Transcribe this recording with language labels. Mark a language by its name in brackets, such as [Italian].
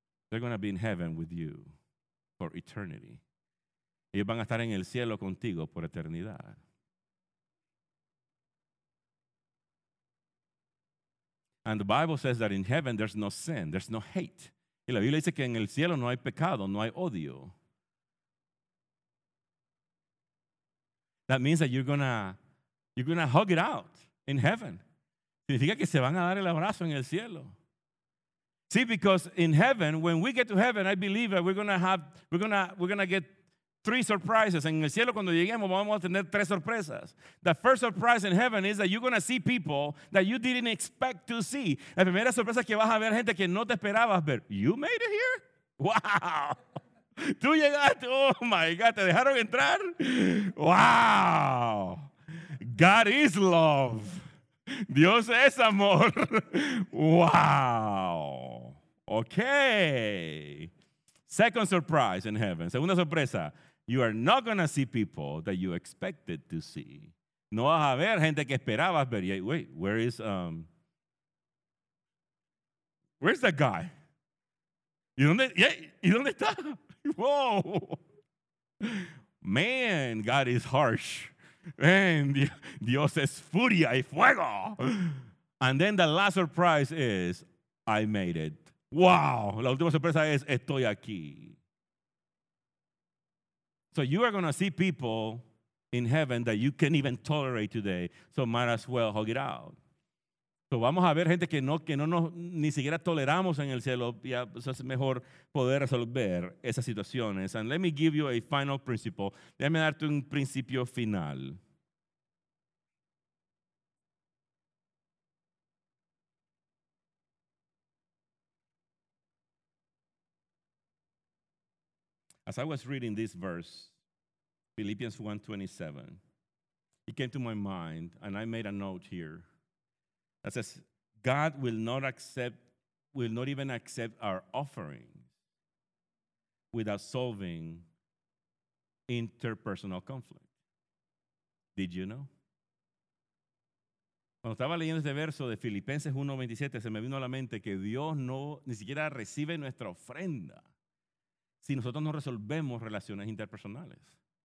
[English] They're going to be in heaven with you for eternity. [Spanish] Ellos van a estar en el cielo contigo por eternidad. [English] And the Bible says that in heaven there's no sin, there's no hate. [Spanish] Y la Biblia dice que en el cielo no hay pecado, no hay odio. [English] That means that you're gonna hug it out in heaven. [Spanish] Significa que se van a dar el abrazo en el cielo. [English] See, because in heaven, when we get to heaven, I believe that we're gonna get three surprises. [Spanish] En el cielo, cuando lleguemos, vamos a tener tres sorpresas. [English] The first surprise in heaven is that you're going to see people that you didn't expect to see. [Spanish] La primera sorpresa es que vas a ver gente que no te esperabas ver. [English] You made it here? Wow. [Spanish] Tú llegaste. [English] Oh, my God. [Spanish] ¿Te dejaron entrar? Wow. [English] God is love. [Spanish] Dios es amor. [English] Wow. Okay. Second surprise in heaven. [Spanish] Segunda sorpresa. [English] You are not going to see people that you expected to see. [Spanish] No vas a ver gente que esperabas ver. [English] Wait, where's that guy? [Spanish] ¿Y dónde está? [English] Whoa. Man, God is harsh. [Spanish] Man, Dios es furia y fuego. [English] And then the last surprise is, I made it. Wow. [Spanish] La última sorpresa es, estoy aquí. [English] So you are going to see people in heaven that you can't even tolerate today. So might as well hug it out. [Spanish] So vamos a ver gente que no nos ni siquiera toleramos en el cielo. Ya es mejor poder resolver esas situaciones. [English] And let me give you a final principle. [Spanish] Déjame darte un principio final. [English] As I was reading this verse, Philippians 1:27, it came to my mind, and I made a note here that says, God will not even accept our offerings without solving interpersonal conflict. Did you know? [Spanish] Cuando estaba leyendo este verso de Filipenses 1:27, se me vino a la mente que Dios no ni siquiera recibe nuestra ofrenda si nosotros no resolvemos relaciones interpersonales.